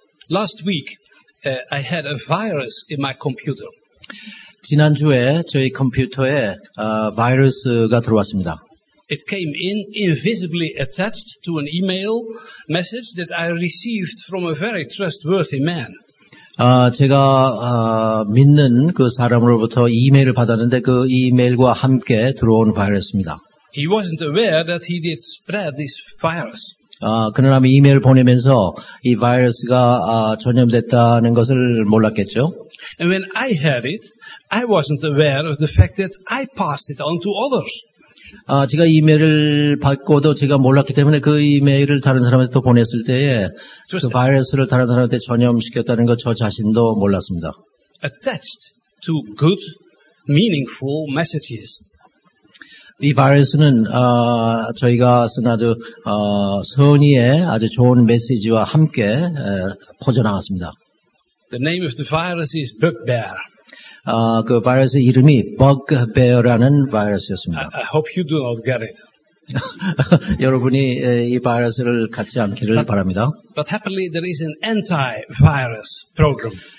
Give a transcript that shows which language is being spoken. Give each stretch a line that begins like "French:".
English: Last week, I had a virus in my computer.
Korean: 지난주에 저희 컴퓨터에 바이러스가 들어왔습니다.
English: It came in invisibly attached to an email message that I received from a very trustworthy man.
Korean: 제가 믿는 그 사람으로부터 이메일을 받았는데 그 이메일과 함께 들어온 바이러스입니다.
English: He wasn't aware that he did spread this virus.
Korean: 그는 아마 이메일 보내면서 이 바이러스가 전염됐다는 것을 몰랐겠죠.
English: And when I had it, I wasn't aware of the fact that I passed it on to others.
Korean: 제가 이메일을 받고도 제가 몰랐기 때문에 그 이메일을 다른 사람한테 보냈을 때에 그 바이러스를 다른 사람한테 전염시켰다는 것 저 자신도 몰랐습니다.
English: Attached to good, meaningful messages.
Korean: 이 바이러스는 저희가 쓴 아주 선의의 아주 좋은 메시지와 함께 퍼져나갔습니다.
English: The name of the virus is Bugbear.
Korean: 그 바이러스 이름이 Bugbear라는 바이러스였습니다.
English: I hope you do not get it.
Korean: 여러분이 이 바이러스를 갖지 않기를 바랍니다.
English: But happily there is an anti-virus program.